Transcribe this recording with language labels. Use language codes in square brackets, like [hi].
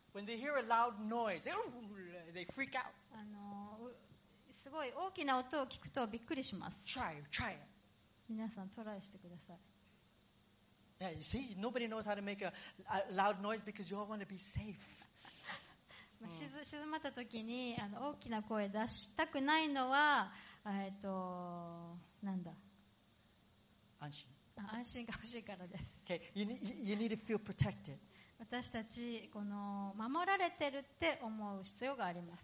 [en] when they hear a loud noise, they freak out. [ja] あの、すごい大きな音を聞くとびっくりします。 [en] Try. [ja] 皆さんトライしてください。 [en] Yeah, you see, nobody knows how to make a loud noise because you all want to be safe. [ja] 静まった時に、あの、大きな声出したくないのは、なんだ。安心。安心が欲しいからです。 [en] Okay, you need to feel protected. [ja] 私たちこの守られてるって思う必要があります。